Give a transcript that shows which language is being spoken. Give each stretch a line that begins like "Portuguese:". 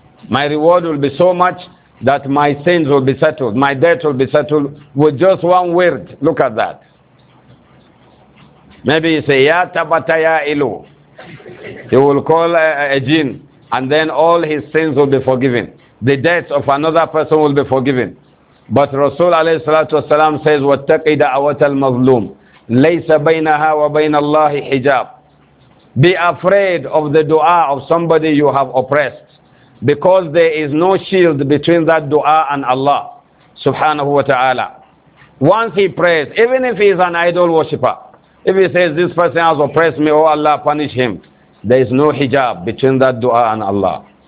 English: My reward will be so much that my sins will be settled. My debt will be settled with just one word. Look at that. Maybe you say, ya tabata ya ilu. He will call a jinn and then all his sins will be forgiven. The debts of another person will be forgiven. But Rasul alayhi salatu wasalam says,
Arabic: وَاتَّقِ دَعَوَةَ الْمَظْلُومِ لَيْسَ بَيْنَهَا وَبَيْنَ اللَّهِ حِجَابٍ.
English: Be afraid of the dua of somebody you have oppressed, because there is no shield between that dua and Allah subhanahu wa ta'ala. Once he prays, even if he is an idol worshipper, if he says, this person has oppressed me, oh Allah, punish him, there is no hijab between that dua and Allah.